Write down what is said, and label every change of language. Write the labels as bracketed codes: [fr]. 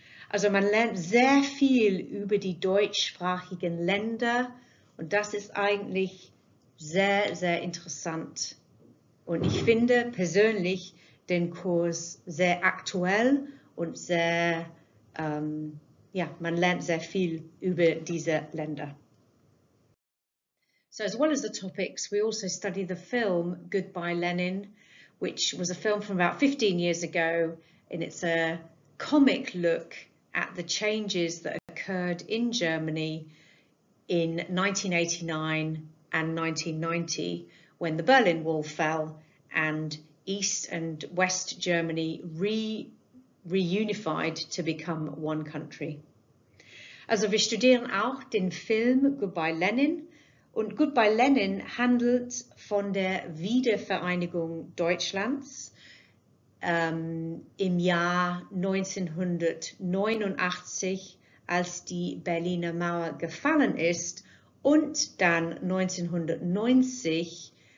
[de] Also man lernt sehr viel über die deutschsprachigen Länder, und das ist eigentlich sehr, sehr interessant. Und ich finde persönlich den Kurs sehr aktuell und sehr ja, man lernt sehr viel über diese Länder. [en] So, as well as the topics, we also study the film Goodbye Lenin, which was a film from about 15 years ago, and it's a comic look at the changes that occurred in Germany in 1989 and 1990 when the Berlin Wall fell and East and West Germany reunified to become one country. [de] Also, wir studieren auch den Film Goodbye Lenin. Und Goodbye Lenin handelt von der Wiedervereinigung Deutschlands im Jahr 1989, als die Berliner Mauer gefallen ist, und dann 1990